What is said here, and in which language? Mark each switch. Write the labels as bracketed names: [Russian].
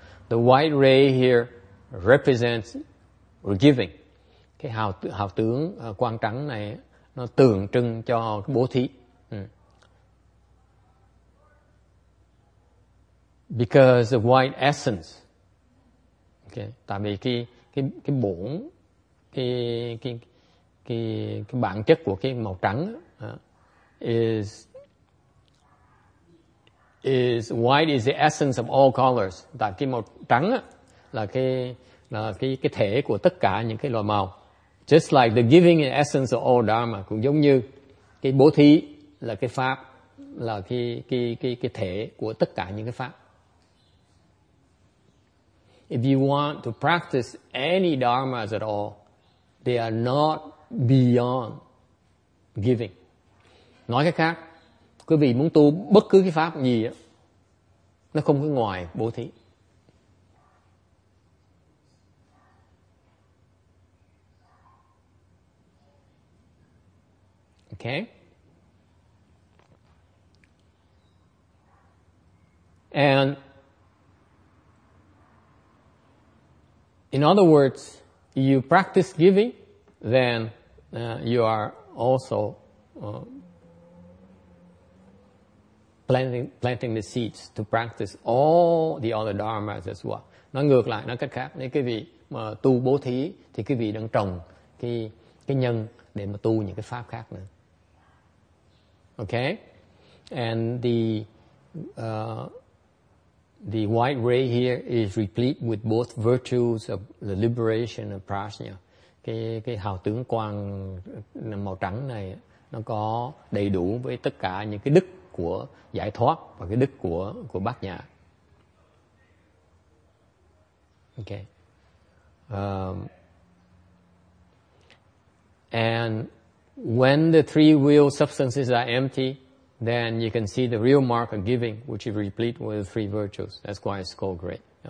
[English] The white ray here represents giving. [Vietnamese] Cái hào tướng quang trắng này nó tượng trưng cho bố thí. [English] Because the white essence. Okay, [Vietnamese] tại vì cái bổn, cái bản chất của cái màu trắng [English] is white is the essence of all colors. [Vietnamese] Tại cái màu trắng là cái thể của tất cả những cái loại màu. [English] Just like the giving is the essence of all dharma, [Vietnamese] cũng giống như cái bố thí là cái pháp, là cái thể của tất cả những cái pháp. [English] If you want to practice any dharmas at all, they are not beyond giving. [Vietnamese] Nói cách khác, quý vị muốn tu bất cứ cái pháp gì á, nó không có ngoài bố thí. [English] Okay. And in other words, you practice giving, then you are also planting the seeds to practice all the other dharmas as well. [Vietnamese] Nói ngược lại, nói cách khác, nếu quý vị mà tu bố thí thì quý vị đang trồng cái nhân để mà tu những cái pháp khác nữa. [English] Okay, and the white ray here is replete with both virtues of the liberation and prajna. [Vietnamese] Cái hào tướng quang màu trắng này nó có đầy đủ với tất cả những cái đức của giải thoát và cái đức của bát nhã. [English] Okay, and when the three real substances are empty, then you can see the real mark of giving, which is replete with three virtues. That's why it's called great.